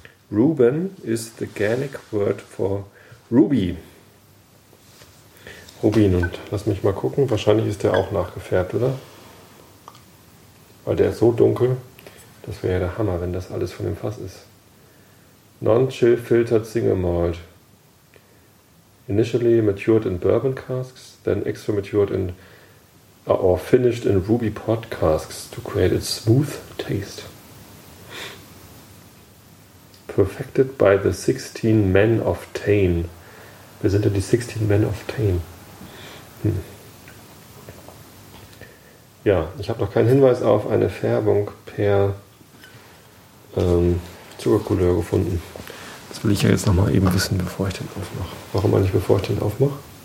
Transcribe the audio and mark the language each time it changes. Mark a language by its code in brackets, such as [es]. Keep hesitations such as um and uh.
[en] Ruben is the Gaelic word for Ruby. [de] Rubin und lass mich mal gucken, wahrscheinlich ist der auch nachgefärbt, oder? Weil der ist so dunkel, das wäre ja der Hammer, wenn das alles von dem Fass ist. [en] Non-chill filtered single malt. Initially matured in bourbon casks, then extra matured in or finished in ruby pot casks to create a smooth taste. Perfected by the 16 Men of Tain. [de] Wer sind denn die 16 Men of Tain? Hm. Ja, ich habe noch keinen Hinweis auf eine Färbung per ähm, Zuckercouleur gefunden. Das will ich ja jetzt nochmal eben wissen, bevor ich den aufmache. Warum eigentlich, bevor ich den aufmache?